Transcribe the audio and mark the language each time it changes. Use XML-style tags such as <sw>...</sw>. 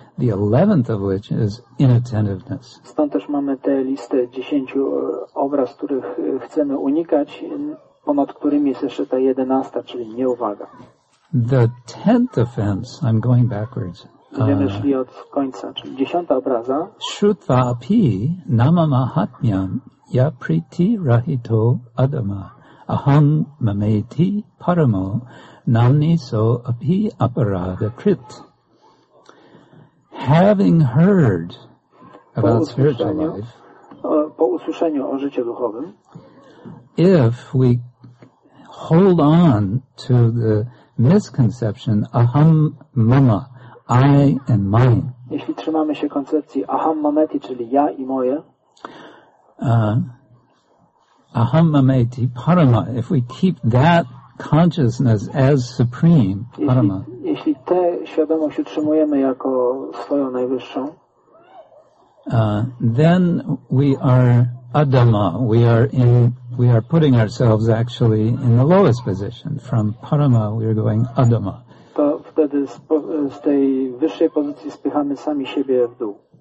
<en>The 11th of which is inattentiveness.</en> <pl>Stąd też mamy te listę 10 obraz, których chcemy unikać, ponad którymi jest jeszcze ta 11, czyli nieuwaga.</pl> <en>The 10th offense, I'm going backwards.</en> <pl>Będziemy szli od końca, czyli 10 obraza.</pl> <sa>Śrutva api nama mahatmyam ya priti rahito adama aham mameti paramo namni so api aparada krit.</sa> <en>having heard about spiritual life,</en> <pl>po usłyszeniu o życiu duchowym,</pl> <en>if we hold on to the misconception,</en> <sa>aham mama,</sa> <en>I and mine,</en> <pl>jeśli trzymamy się koncepcji</pl> <sa>aham mameti,</sa> <pl>czyli ja i moje,</pl> <sa>aham mameti parama,</sa> <en>if we keep that consciousness as supreme, parama,</en> <pl>jeśli tę świadomość utrzymujemy jako swoją najwyższą,</pl> <en>then we are adama, we are putting ourselves actually in the lowest position. From parama we are going adama.</en> <pl>To wtedy z tej wyższej pozycji spychamy sami siebie w dół.</pl>